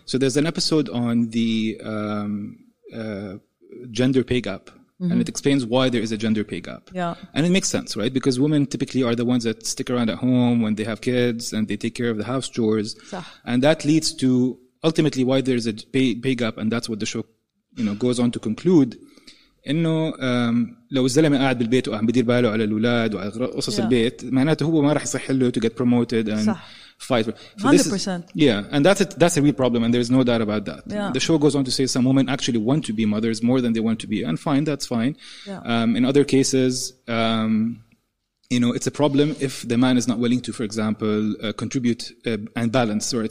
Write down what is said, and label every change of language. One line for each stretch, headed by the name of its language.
English: So there's an episode on the gender pay gap. And it explains why there is a gender pay gap. Yeah. And it makes sense, right? Because women typically are the ones that stick around at home when they have kids and they take care of the house chores. And that leads to ultimately why there is a pay gap. And that's what the show goes on to conclude.
Arabic: إنه لو الزلمة قاعد بالبيت وقاعد بدير باله على الأولاد وعلى قصص البيت, معناته هو ما راح يصح له
English: to get promoted and fight. 100%. And that's a real problem, and there's no doubt about that. Yeah. The show goes on to say some women actually want to be mothers more than they want to be, and fine, that's fine. In other cases, it's a problem if the man is not willing to, for example, contribute and balance, right?